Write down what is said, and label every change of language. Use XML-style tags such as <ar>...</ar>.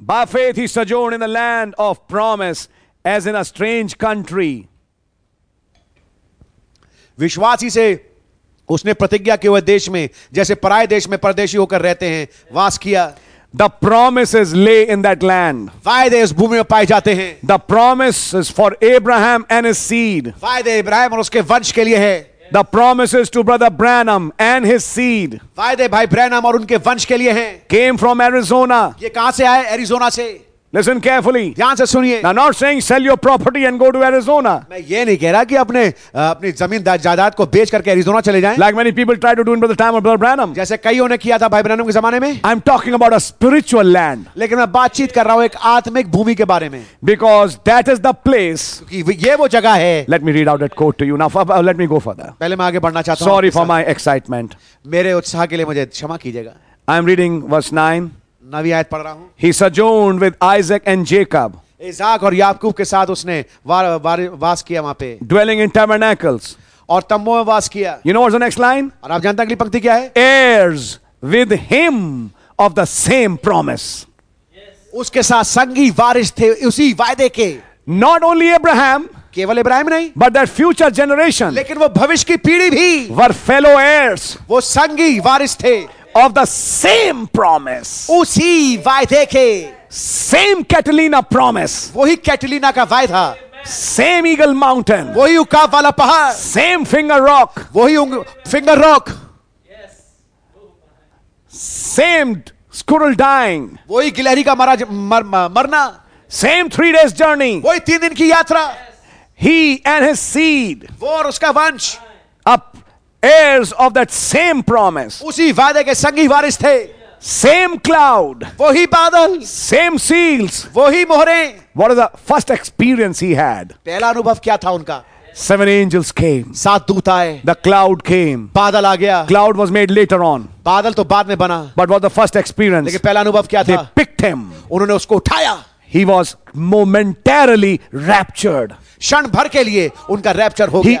<en>By faith he sojourned in the land of promise, as in a strange country.</en> <hi>विश्वासी से उसने प्रतिज्ञा के हुए देश में जैसे पराये देश में परदेशी होकर रहते हैं वास किया.</hi> <en>The promises lay in that land.</en> <hi>वायदे इस भूमि में पाए जाते हैं.</hi> <en>The promises for Abraham and his seed.</en> <hi>वायदे इब्राहिम और उसके वंश के लिए है.</hi> <en>The promises to Brother Branham and his seed.</en> <hi>वायदे भाई ब्रैनम और उनके वंश के लिए हैं.</hi> <en>Came from Arizona.</en> <hi>ये कहाँ से आए? Arizona से.</hi> <en>Listen carefully.</en> <hi>ध्यान से सुनिए.</hi> <en>I'm not saying sell your property and go to Arizona.</en> <hi>मैं ये नहीं कह रहा कि अपने अपनी जमीन जायदाद को बेच करके Arizona चले जाएं.</hi> <en>Like many people try to do in the time of Brother Branham.</en> <hi>जैसे कईयों ने किया था भाई ब्रैनम के जमाने में.</hi> <en>I'm talking about a spiritual land.</en> <hi>लेकिन मैं बातचीत कर रहा हूँ एक आत्मिक भूमि के बारे में.</hi> <en>Because that is the place.</en> <hi>क्योंकि ये वो जगह है.</hi> <en>Let me read out that quote to you now. Let me go further.</en> <hi>पहले मैं आगे बढ़ना चाहता हूँ.</hi> <en>Sorry for my excitement.</en> <hi>मेरे उत्साह के लिए मुझे क्षमा कीजिएगा.</hi> <en>I'm reading verse 9. He sojourned with Isaac and Jacob.</en> <hi>Isaac और याकूब के साथ उसने वास किया वहाँ पे.</hi> <en>Dwelling in tabernacles.</en> <hi>और तम्बुओं में वास किया.</hi> <en>You know what's the next line?</en> <hi>और आप जानते हैं अगली पंक्ति क्या है?</hi> <en>Heirs with him of the same promise.</en> <hi>उसके साथ संगी वारिस थे उसी वायदे के.</hi> <en>Not only Abraham.</en> <hi>केवल इब्राहिम नहीं.</hi> <en>But that future generation.</en> <hi>लेकिन वो भविष्य की पीढ़ी भी.</hi> <en>Were fellow heirs.</en> <hi>वो संगी वारिस थे.</hi> <en>Of the same promise.</en> <hi>उसी वायदे के.</hi> <en>Same Catalina promise.</en> <hi>वही Catalina का वायदा.</hi> <en>Same Eagle Mountain.</en> <hi>वही उकाब वाला पहाड़.</hi> <en>Same Finger Rock.</en> <hi>वही Finger Rock.</hi> <en>Same squirrel dying.</en> <hi>वही गिलहरी का मरना.</hi> <en>Same 3 days journey.</en> <hi>वही 3 दिन की यात्रा.</hi> <en>He and his seed.</en> <hi>वो और उसका वंश.</hi> <en>Heirs of that same promise.</en> <hi>उसी वादे के संगी वारिस थे.</hi> <en>Same cloud.</en> <hi>वही बादल.</hi> <en>Same seals.</en> <hi>वही मोहरे.</hi> <en>What is the first experience he had?</en> <hi>पहला अनुभव क्या था उनका?</hi> <en>Seven angels came.</en> <hi>सात दूत आए.</hi> <en>The cloud came.</en> <hi>बादल आ गया.</hi> <en>Cloud was made later on.</en> <hi>बादल तो बाद में बना.</hi> <en>But what was the first experience?</en> <hi>लेकिन पहला अनुभव क्या था?</hi> <en>They picked him.</en> <hi>उन्होंने उसको उठाया.</hi> <en>He was momentarily raptured.</en> <hi>क्षण भर के लिए उनका रैप्चर हो गया.</hi>